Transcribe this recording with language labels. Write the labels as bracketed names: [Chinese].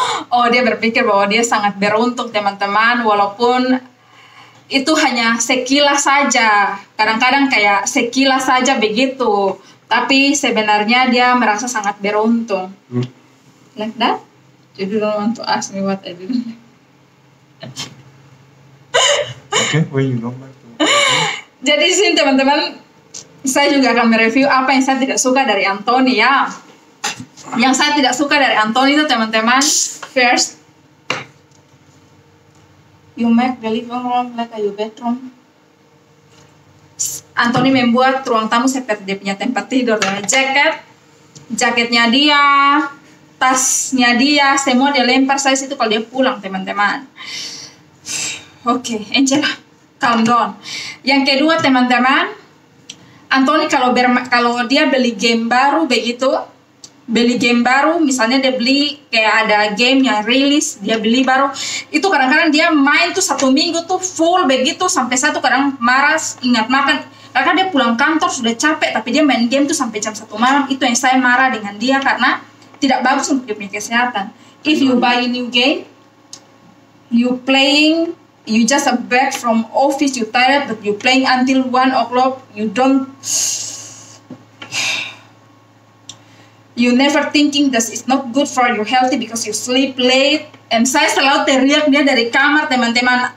[Indonesian] Oh, dia berpikir bahwa dia sangat beruntung, teman-teman, walaupun itu hanya sekilas saja, kadang-kadang kayak sekilas saja begitu, tapi sebenarnya dia merasa sangat beruntung. [English] Like that? You don't want to ask me what I did. Okay, well you don't like to. [Indonesian] Jadi sih teman-teman, saya juga akan mereview apa yang saya tidak suka dari Anthony ya. Yang saya tidak suka dari Anthony itu, teman-teman, [English] first, you make the living room like a your bedroom. [Indonesian] Anthony membuat ruang tamu seperti dia punya tempat tidur, dan jaket, jaketnya dia, tasnya dia, semua dia lempar saya situ kalau dia pulang, teman-teman. Oke, okay, Angela, [English] calm down. [Indonesian] Yang kedua, teman-teman, Anthony kalau dia beli game baru begitu, beli game baru, misalnya dia beli kayak ada game yang rilis, dia beli baru. Itu kadang-kadang dia main tuh satu minggu tuh full begitu, sampai saya tuh kadang marah, ingat makan. Kadang dia pulang kantor sudah capek, tapi dia main game tuh sampai jam 1 malam. Itu yang saya marah dengan dia, karena tidak bagus untuk dia punya kesehatan. [English] If you buy a new game, you playing, you just back from office, you tired, but you playing until 1 o'clock, you don't... You never thinking that it's not good for your healthy because you sleep late. [Indonesian] And saya selalu teriak dia dari kamar, teman-teman.